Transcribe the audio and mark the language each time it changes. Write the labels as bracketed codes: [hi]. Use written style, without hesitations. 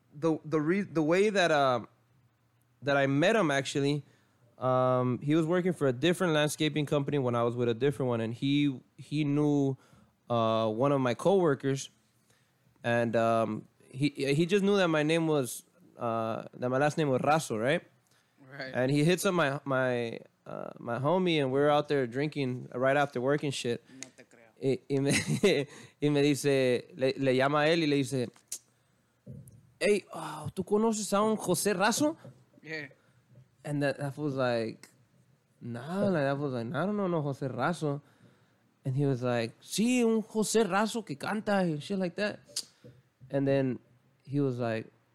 [en] The way that I met him actually, he was working for a different landscaping company when I was with a different one, and he knew one of my coworkers, and He just knew that my name was my last name was Razo, right? And he hits up my homie, and we're out there drinking right after work and shit. [es] No te creo. Y me dice, le llama a él y le dice, hey, ¿tú conoces a un José Razo? [en] Yeah. And that was like, nah, like that was like, nah, I don't know José Razo. And he was like, [es] sí, un José Razo que canta [en] and shit like that. And then he was like,